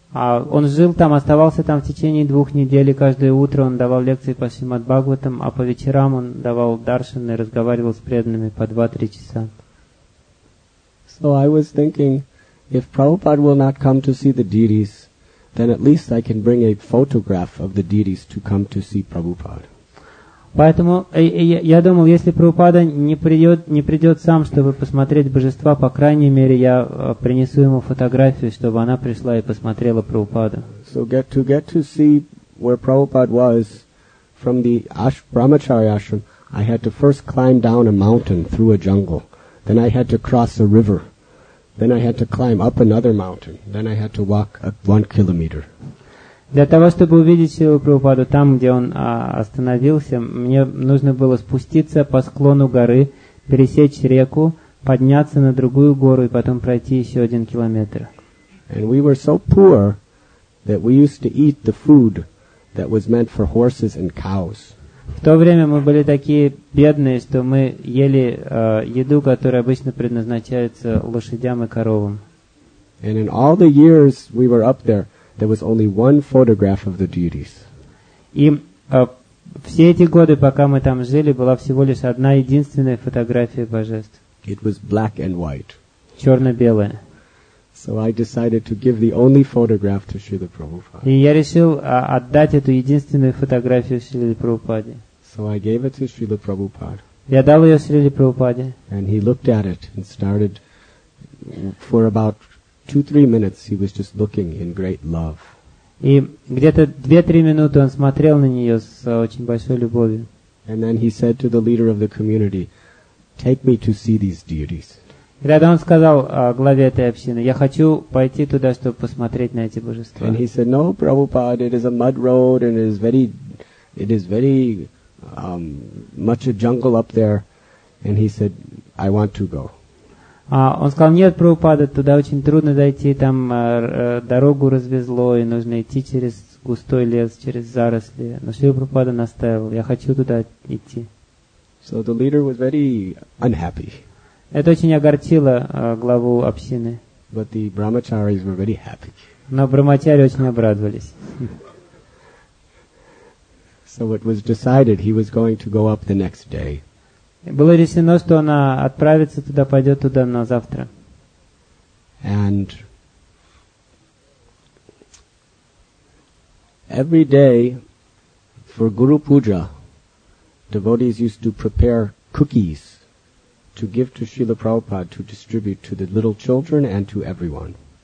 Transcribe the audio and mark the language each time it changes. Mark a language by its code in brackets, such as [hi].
[ru] Он жил там, оставался там в течение 2 недель, каждое утро он давал лекции по Шримад Бхагаватам, а по вечерам он давал даршан и разговаривал с преданными по 2-3 часа. [en] So I was thinking, if Prabhupada will not come to see the deities, then at least I can bring a photograph of the deities to come to see Prabhupada. [ru] Поэтому я думал, если Прабхупада не придет сам, чтобы посмотреть божества, по крайней мере, я принесу ему фотографию, чтобы она пришла и посмотрела Прабхупаду. [en] So to get to see where Prabhupada was from the Brahmacharya ashram, I had to first climb down a mountain through a jungle. Then I had to cross a river. Then I had to climb up another mountain. Then I had to walk 1 kilometer. [ru] Для того, чтобы увидеть Шрилу Прабхупаду там, где он остановился, мне нужно было спуститься по склону горы, пересечь реку, подняться на другую гору и потом пройти еще один километр. [en] And we were so poor that we used to eat the food that was meant for horses and cows. [ru] В то время мы были такие бедные, что мы ели еду, которая обычно предназначается лошадям и коровам. [en] And in all the years we were up there, there was only one photograph of the deities. [ru] И все эти годы, пока мы там жили, была всего лишь одна единственная фотография божеств. [en] It was black and white. [ru] Черно-белая. [en] So I decided to give the only photograph to Srila Prabhupada. [ru] И я решил отдать эту единственную фотографию Шриле Прабхупаде. [en] So I gave it to Srila Prabhupada. [ru] Я дал ее Шриле Прабхупаде. [en] And he looked at it and started for about 2-3 minutes he was just looking in great love. [ru] И где-то 2-3 минуты он смотрел на нее с очень большой любовью. [en] And then he said to the leader of the community, "Take me to see these deities." [ru] Когда он сказал главе этой общины, я хочу пойти туда, чтобы посмотреть на эти божества. [en] And he said, "No, Prabhupada, it is a mud road and it is very much a jungle up there." And he said, "I want to go." [ru] Он сказал, нет, Прабхупада, туда очень трудно дойти, там дорогу развезло, и нужно идти через густой лес, через заросли. Но Шрила Прабхупада настаивал, я хочу туда идти. [en] So the leader was very unhappy. [ru] Это очень огорчило главу общины. [en] But the brahmacharis were very happy. [ru] Но брахмачари очень обрадовались. [en] So it was decided he was going to go up the next day. [ru] Было решено, что она отправится туда, пойдет туда на завтра. [en] And every day for Guru Puja, devotees used to prepare cookies to give to Srila Prabhupada to distribute to the little children and to everyone.